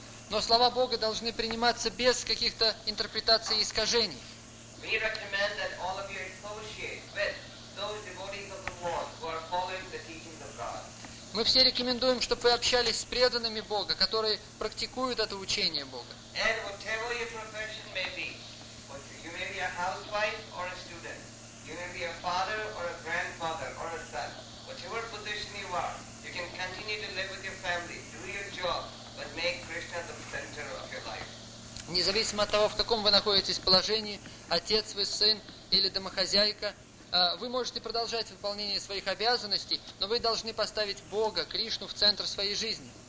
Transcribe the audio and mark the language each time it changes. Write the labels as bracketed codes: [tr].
[ru] Но слова Бога должны приниматься без каких-то интерпретаций и искажений. [en] We recommend that all of you associate with those devotees of the world who are following the teachings of God. [ru] Мы все рекомендуем, чтобы вы общались с преданными Бога, которые практикуют это учение Бога. [en] And whatever your profession may be, you may be a housewife or a student, you may be a father or a grandfather or a son, whatever position you are, you can continue to live with your family, do your job, but make Krishna the center of your life. [ru] Независимо от того, в каком вы находитесь положении, отец вы, сын или домохозяйка, вы можете продолжать выполнение своих обязанностей, но вы должны поставить Бога, Кришну, в центр своей жизни.